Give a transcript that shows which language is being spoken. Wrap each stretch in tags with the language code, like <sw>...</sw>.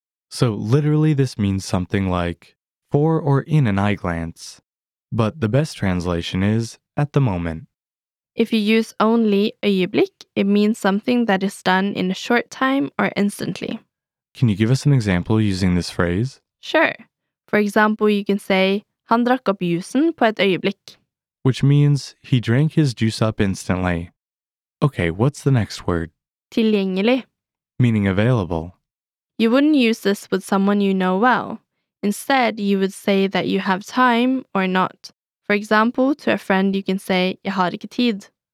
<en>So literally this means something like for or in an eye glance. But the best translation is at the moment. If you use only øyeblikk, it means something that is done in a short time or instantly. Can you give us an example using this phrase? Sure. For example, you can say,</en> <no>Han drakk opp jusen på et øyeblikk.</no> <en>Which means, he drank his juice up instantly. Okay, what's the next word?</en> <no>Tilgjengelig.</no> <en>Meaning available. You wouldn't use this with someone you know well. Instead, you would say that you have time or not. For example, to a friend you can say,</en> <no>Jeg har ikke tid.</no>